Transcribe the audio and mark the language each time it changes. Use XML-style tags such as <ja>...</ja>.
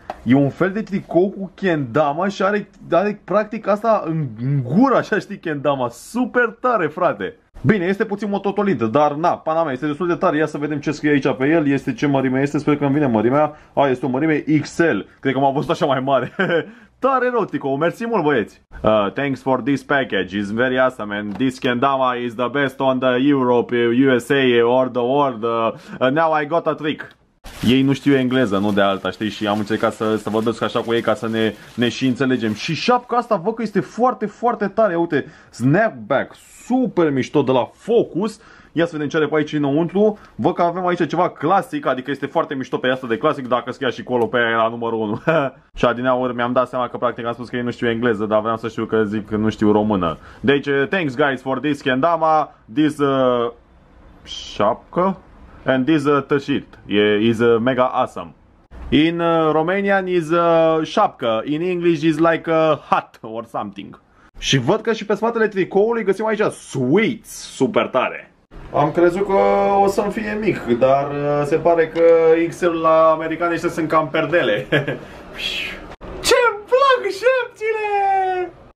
<ro>E un fel de tricou cu kendama și are practic asta în gură, așa știi, kendama. Super tare, frate! Bine, este puțin mototolită, dar na, pana mea, este destul de tare. Ia să vedem ce scrie aici pe el, este ce mărime este, sper că îmi vine mărimea. A, este o mărime XL, cred că m-am văzut așa mai mare. Tare rău, tricou, mersi mult, băieți!</ro> <en>Thanks for this package, it's very awesome, and this kendama is the best on the Europe, USA, or the world. Now I got a trick.</en> <ro>Ei nu știu engleză, nu de alta, știi, și am încercat să vorbesc așa cu ei ca să ne și înțelegem. Și șapca asta, văd că este foarte, foarte tare, uite, snapback, super mișto de la Focus. Ia să vedem ce are pe aici înăuntru, văd că avem aici ceva clasic, adică este foarte mișto pe asta de clasic, dacă scria și colo pe aia era numărul 1. Și adineauri mi-am dat seama că practic am spus că ei nu știu engleză, dar vreau să știu că zic că nu știu română. Deci,</ro> <en>thanks guys for this kendama, this șapcă? And this t-shirt is mega awesome. In Romanian is șapcă, in English is like a hat or something.</en> <ro>Și văd că și pe spatele tricoului găsim aici sweets, super tare. Am crezut că o să-mi fie mic, dar se pare că XL la americane ăștia sunt cam perdele. Ce-mi plac șapcile!</ro>